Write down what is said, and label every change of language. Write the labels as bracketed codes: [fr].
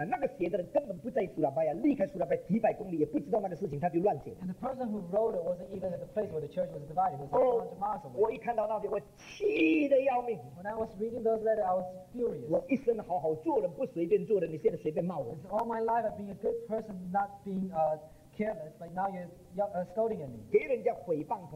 [zh] 那个写的人根本不在苏拉巴亚, 离开苏拉巴亚, 几百公里, 也不知道那个事情, 他就乱写, [en] and the person who wrote it wasn't even at the place where the church was divided. It was 100 miles away. [zh] 我一看到那边, 我气得要命, [en] when I was reading those letters, I was furious. [zh] 我一生好好 做人不随便做人, 你现在随便骂我, [en] all my life I've been a good person, not being careless, but now you're scolding at me.